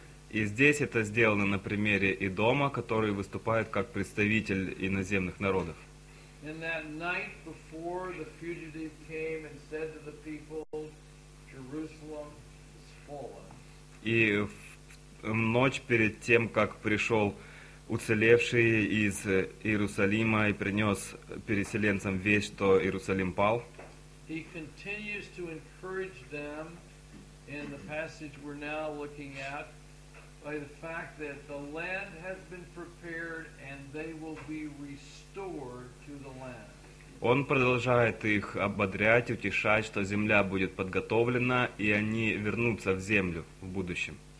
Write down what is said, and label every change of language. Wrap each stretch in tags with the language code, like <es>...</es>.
<ru>И здесь это сделано на примере Эдома, который выступает как представитель иноземных народов.</ru> <en>And that night before the fugitive came and said to the people, Jerusalem is fallen.</en> <ru>И в ночь перед тем, как пришел уцелевший из Иерусалима и принес переселенцам весть, что Иерусалим пал.</ru> <en>He continues to encourage them in the passage we're now looking at by the fact that the land has been prepared and they will be restored.</en> <ru>Он продолжает их ободрять, утешать, что земля будет подготовлена, и они вернутся в землю в будущем.</ru>